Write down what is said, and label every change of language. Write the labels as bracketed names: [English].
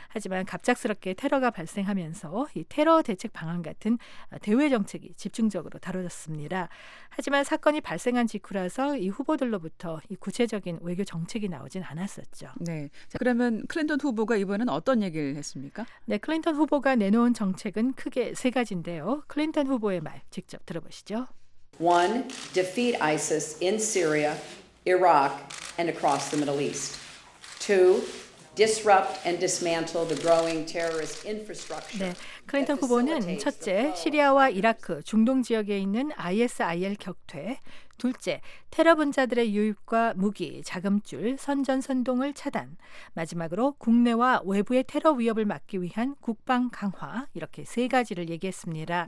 [Korean] 하지만 갑작스럽게 테러가 발생하면서 이 테러 대책 방안 같은 대외 정책이 집중적으로 다뤄졌습니다. 하지만 사건이 발생한 직후라서 이 후보들로부터 이 구체적인 외교 정책이 나오진 않았었죠. 네. 자, 그러면 클린턴 후보가 이번엔 어떤 얘기를 했습니까? 네, 클린턴 후보가 내놓은 정책은 크게 세 가지인데요. 클린턴 후보의 말 직접 들어보시죠. [English] One, defeat ISIS in Syria, Iraq, and across the Middle East. Two, disrupt and dismantle the growing terrorist infrastructure. [Korean] 네, 클린턴 후보는 첫째, 시리아와 이라크, 중동 지역에 있는 ISIL 격퇴, 둘째, 테러분자들의 유입과 무기, 자금줄, 선전선동을 차단, 마지막으로 국내와 외부의 테러 위협을 막기 위한 국방 강화, 이렇게 세 가지를 얘기했습니다.